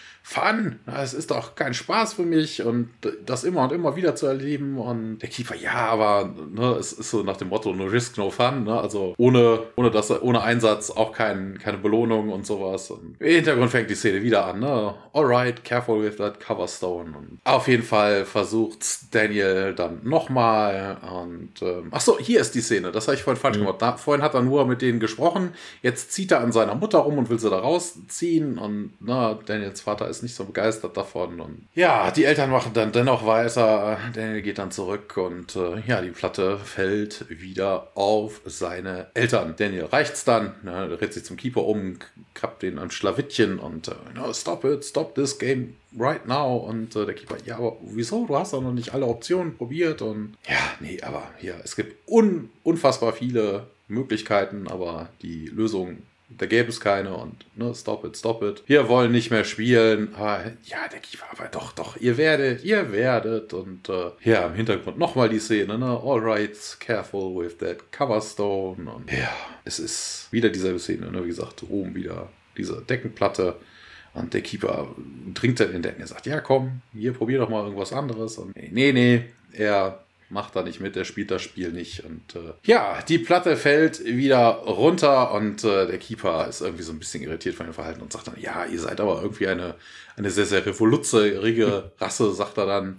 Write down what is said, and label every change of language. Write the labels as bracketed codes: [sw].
[de] Fun, es ist doch kein Spaß für mich und das immer und immer wieder zu erleben. Und der Keeper, ja, aber ne, es ist so nach dem Motto, [en] no risk, no fun. [de] Ne? Also ohne Einsatz auch keine Belohnung und sowas. Und im Hintergrund fängt die Szene wieder an. Ne? [en] Alright, careful with that cover stone. [de] Und auf jeden Fall versucht Daniel dann nochmal. Und hier ist die Szene. Das habe ich vorhin falsch gemacht. Vorhin hat er nur mit denen gesprochen. Jetzt zieht er an seiner Mutter rum und will sie da rausziehen. Und ne, Daniels Vater ist nicht so begeistert davon. Und ja, die Eltern machen dann dennoch weiter. Daniel geht dann zurück und ja, die Platte fällt wieder auf seine Eltern. Daniel reicht es dann, ne, dreht sich zum Keeper um, kappt den am Schlawittchen und [en] no, stop it, stop this game right now. [de] Und der Keeper, ja, aber wieso? Du hast doch noch nicht alle Optionen probiert. Und ja, nee, aber hier, ja, es gibt unfassbar viele Möglichkeiten, aber die Lösung, da gäbe es keine und ne, [en] stop it, stop it. [de] Wir wollen nicht mehr spielen. Aber, ja, der Keeper, aber doch, doch, ihr werdet. Und ja, im Hintergrund nochmal die Szene, ne? [en] All right, careful with that cover stone. [de] Und ja, es ist wieder dieselbe Szene, ne? Wie gesagt, oben wieder diese Deckenplatte. Und der Keeper dringt dann in den Decken. Er sagt, ja, komm, hier, probier doch mal irgendwas anderes. Und nee, nee, er macht da nicht mit, der spielt das Spiel nicht. Und ja, die Platte fällt wieder runter und der Keeper ist irgendwie so ein bisschen irritiert von dem Verhalten und sagt dann, ja, ihr seid aber irgendwie eine sehr, sehr revolutzerige Rasse, sagt er dann.